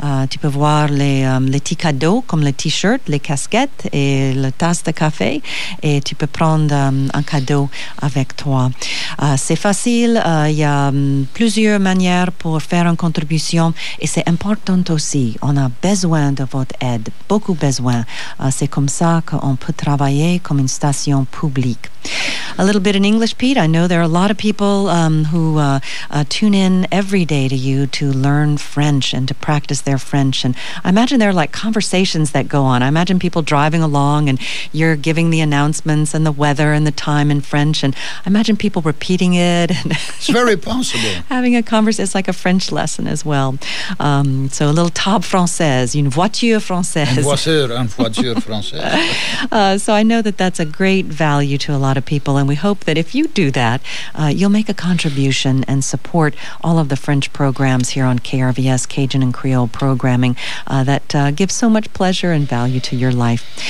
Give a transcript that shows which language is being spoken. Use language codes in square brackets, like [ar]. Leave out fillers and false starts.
[fr] Tu peux voir les petits cadeaux comme le t-shirt, les casquettes et la tasse de café et tu peux prendre un cadeau avec toi. C'est facile, il y a plusieurs manières pour faire une contribution et c'est important aussi. On a besoin de votre aide, beaucoup besoin. C'est comme ça qu'on peut travailler comme une station publique. [en] A little bit in English, Pete. I know there are a lot of people who tune in every day to you to learn French and to practice their French. And I imagine there are like conversations that go on. I imagine people driving along and you're giving the announcements and the weather and the time in French. And I imagine people repeating it. And it's very possible. Having a conversation. It's like a French lesson as well. So a little [fr] table française, une voiture française. [en] So I know that that's a great value to a lot of people. And we hope that if you do that, you'll make a contribution and support all of the French programs here on KRVS, Cajun and Creole programming that gives so much pleasure and value to your life.